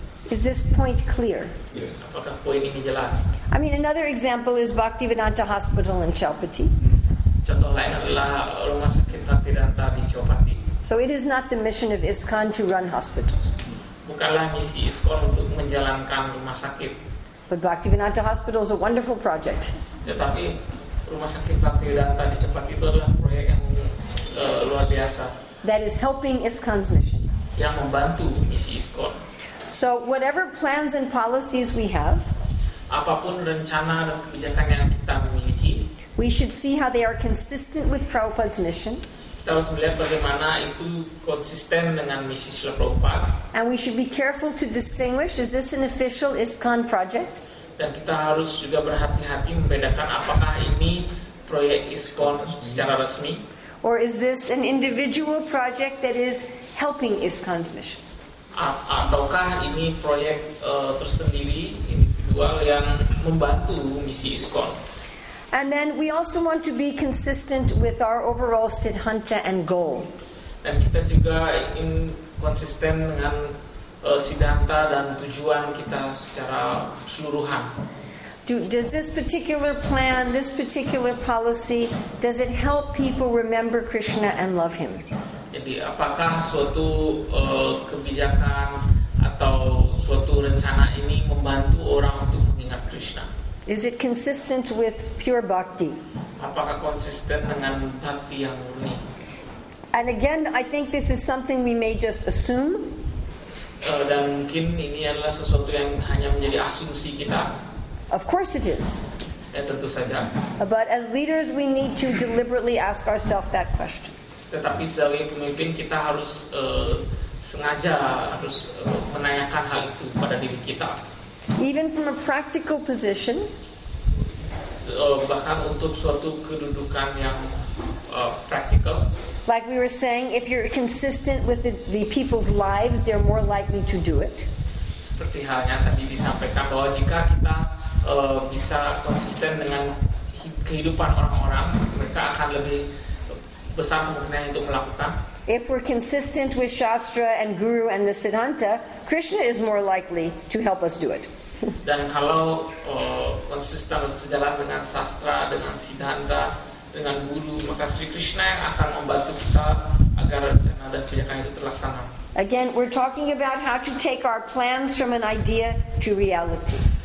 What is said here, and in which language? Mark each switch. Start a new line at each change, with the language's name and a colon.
English: Is this point clear? Yes.
Indonesian: Apakah poin ini jelas?
English: I mean, another example is Bhaktivedanta Hospital in Chaupati.
Indonesian: Contoh lain adalah rumah sakit Bhaktivedanta di Chaupati.
English: So it is not the mission of ISKCON to run hospitals.
Indonesian: Bukanlah misi ISKCON untuk menjalankan rumah sakit.
English: But Bhaktivedanta Hospital is a wonderful project.
Indonesian: Tetapi rumah sakit Bhaktivedanta di Chaupati itu adalah proyek yang luar biasa.
English: That is helping ISKCON's mission.
Indonesian: Yang membantu misi ISKCON.
English: So whatever plans and policies we have,
Indonesian: apapun rencana dan kebijakan yang kita miliki,
English: we should see how they are consistent with Prabhupada's mission.
Indonesian: Kita harus melihat bagaimana itu konsisten dengan misi Srila Prabhupada.
English: And we should be careful to distinguish, is this an official ISKCON project?
Indonesian: Dan kita harus juga berhati-hati membedakan apakah ini proyek ISKCON secara resmi,
English: or is this an individual project that is helping ISKCON's mission?
Indonesian: Ataukah ini proyek tersendiri individual yang membantu misi ISKCON?
English: And then we also want to be consistent with our overall Siddhanta and goal.
Indonesian: Dan kita juga ingin konsisten dengan Siddhanta dan tujuan kita secara keseluruhan.
English: Does this particular plan, this particular policy, does it help people remember Krishna and love him?
Indonesian: Jadi apakah suatu kebijakan atau suatu rencana ini membantu orang untuk mengingat Krishna?
English: Is it consistent with pure bhakti?
Indonesian: Apakah konsisten dengan bhakti yang murni?
English: And again, I think this is something we may just assume.
Indonesian: Dan mungkin ini adalah sesuatu yang hanya menjadi asumsi kita.
English: Of course it is.
Indonesian: Ya, tentu saja.
English: But as leaders, we need to deliberately ask ourselves that question.
Indonesian: Tetapi sebagai pemimpin kita harus sengaja harus menanyakan hal itu pada diri kita.
English: Even from a practical position,
Indonesian: bahkan untuk suatu kedudukan yang practical.
English: Like we were saying, if you're consistent with the people's lives, they're more likely to do it.
Indonesian: Seperti halnya tadi disampaikan bahwa jika kita bisa konsisten dengan kehidupan orang-orang, mereka akan lebih besar kemungkinan untuk melakukan.
English: If we're consistent with Shastra and Guru and the Siddhanta, Krishna is more likely to help us do it.
Indonesian: Dan kalau konsisten sejalan dengan Shastra, dengan Siddhanta, dengan Guru, maka Sri Krishna yang akan membantu kita agar rencana dan kebijakan itu terlaksana.
English: Again, we're talking about how to take our plans from an idea to reality.